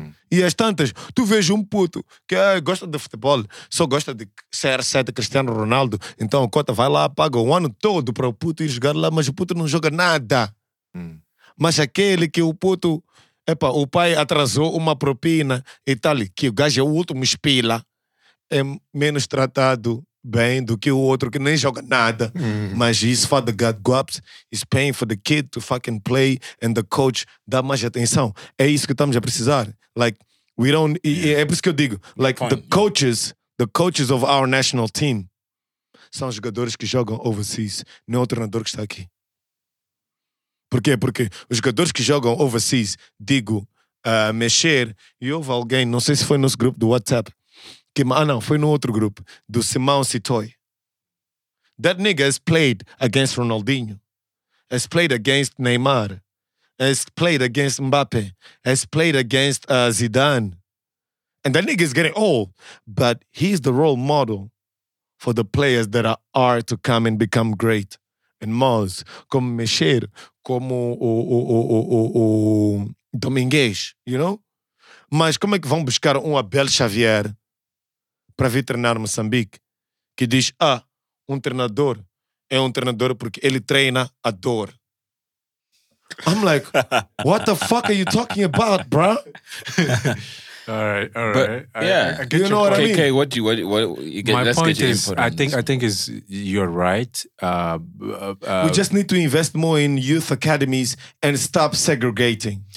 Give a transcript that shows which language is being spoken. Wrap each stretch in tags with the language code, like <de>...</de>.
<pt>E as tantas, tu vês um puto que gosta de futebol, só gosta de CR7, Cristiano Ronaldo, então a cota vai lá, paga o ano todo para o puto ir jogar lá, mas o puto não joga nada. Mas aquele que o puto, epa, o pai atrasou uma propina e tal, que o gajo é o último espila, é menos tratado bem do que o outro que nem joga nada. Mas</pt> <en>his father got guaps, is paying for the kid to fucking play, and the coach</en> <pt>dá mais atenção. É isso que estamos a precisar. Like,</pt> <en>we don't, yeah.</en> <pt>É por isso que eu digo, like, point.</pt> <en>the coaches of our national team</en> <pt>são jogadores que jogam overseas, não é o treinador que está aqui. Por quê? Porque os jogadores que jogam overseas, digo, mexer, e houve alguém, não sei se foi no nosso grupo do WhatsApp, foi no outro grupo, do Simão Sitoy.</pt> <en>That nigga has played against Ronaldinho, has played against Neymar, has played against Mbappe, has played against Zidane. And that nigga is getting old, but he's the role model for the players that are to come and become great. And Moz, como Mexer, como o Domingues, you know?</en> <pt>Mas como é que vão buscar Abel Xavier para vir treinar Moçambique, que diz, um treinador é um treinador porque ele treina a dor.</pt> <en>I'm like, what the fuck are you talking about, bro? All right. I get you know what I mean? Okay, I think you're right. We just need to invest more in youth academies and stop segregating.</en>